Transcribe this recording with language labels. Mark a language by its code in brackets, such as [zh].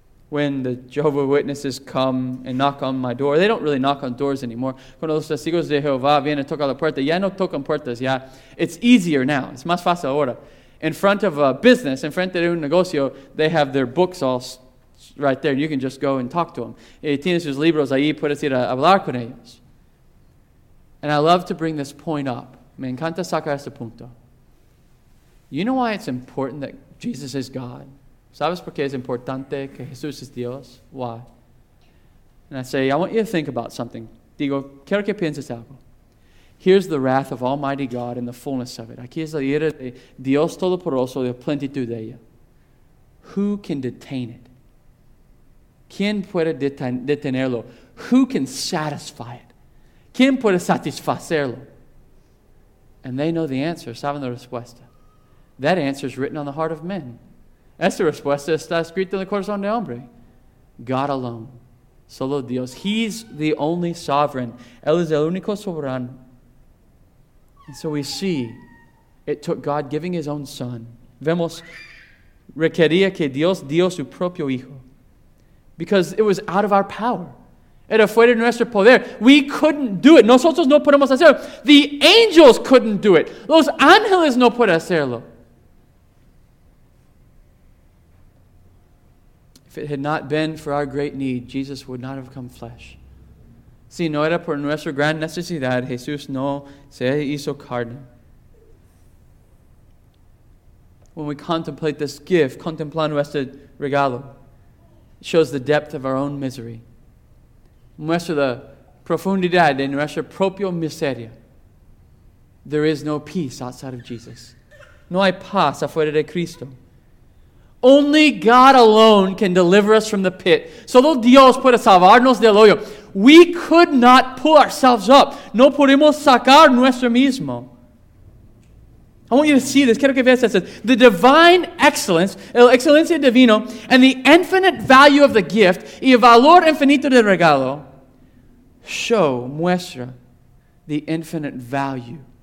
[en] When the Jehovah Witnesses come and knock on my door, they don't really knock on doors anymore. [es] Cuando los testigos de Jehová vienen a tocar la puerta, ya no tocan puertas, ya. [en] It's easier now. It's [es] más fácil ahora. [en] In front of a business, in front of [es] un negocio, [en] they have their books all right there. You can just go and talk to them. [es] Y tienes sus libros ahí, puedes ir a hablar con ellos. [en] And I love to bring this point up. [es] Me encanta sacar este punto. [en] You know why it's important that Jesus is God? [es] ¿Sabes por qué es importante que Jesús es Dios? [en] Why? And I say, I want you to think about something. [es] Digo, quiero que pienses algo. [en] Here's the wrath of Almighty God and the fullness of it. [es] Aquí es la ira de Dios Todopoderoso y la plenitud de ella. [en] Who can detain it? [es] ¿Quién puede detenerlo? [en] Who can satisfy it? [es] ¿Quién puede satisfacerlo? [en] And they know the answer. [es] ¿Saben la respuesta? [en] That answer is written on the heart of men. [es] Esta respuesta está escrita en el corazón de hombre. [en] God alone. [es] Solo Dios. [en] He's the only sovereign. [es] Él es el único soberano. [en] And so we see it took God giving his own son. [es] Vemos, requería que Dios dio su propio hijo. [en] Because it was out of our power. [es] Era fuera de nuestro poder. [en] We couldn't do it. [es] Nosotros no podemos hacerlo. [en] The angels couldn't do it. [es] Los ángeles no pueden hacerlo. [en] If it had not been for our great need, Jesus would not have come flesh. [es] Si no era por nuestra gran necesidad, Jesús no se hizo carne. [en] When we contemplate this gift, [es] contemplando este regalo, [en] it shows the depth of our own misery. [es] Muestra la profundidad de nuestra propia miseria. [en] There is no peace outside of Jesus. [es] No hay paz afuera de Cristo. [en] Only God alone can deliver us from the pit. [es] Solo Dios puede salvarnos del hoyo. [en] We could not pull ourselves up. [es] No podemos sacar nuestro mismo. [en] I want you to see this. [es] Quiero que veas esto. [en] The divine excellence, [es] el excelencia divino, [en] and the infinite value of the gift, [es] y el valor infinito del regalo, [en] show, muestra, the infinite value